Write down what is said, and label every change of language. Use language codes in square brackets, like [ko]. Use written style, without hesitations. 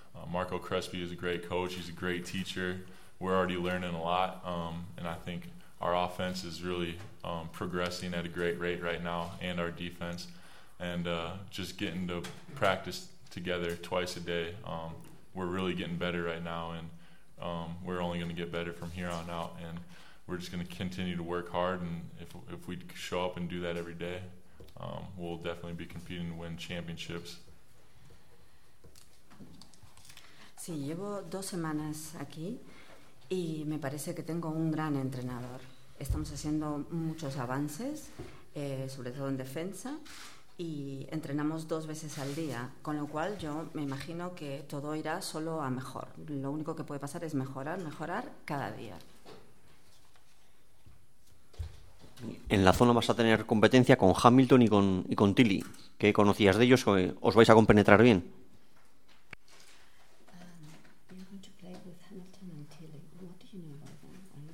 [en] Marco Crespi is a great coach, he's a great teacher. We're already learning a lot, and I think our offense is really progressing at a great rate right now, and our defense, and just getting to practice together twice a day. We're really getting better right now, and we're only going to get better from here on out, and we're just going to continue to work hard, and if we show up and do that every day, we'll definitely be competing to win championships. [es] Sí, llevo 2 semanas aquí y me parece que tengo un gran entrenador. Estamos haciendo muchos avances, sobre todo en defensa, y entrenamos 2 veces al día, con lo cual yo me imagino que todo irá solo a mejor. Lo único que puede pasar es mejorar cada día. En la zona vas a tener competencia con Hamilton y con Tilly. ¿Qué conocías de ellos? ¿Os vais a compenetrar bien? [en] You're going to play with Hamilton and Tilly. What do you know about them?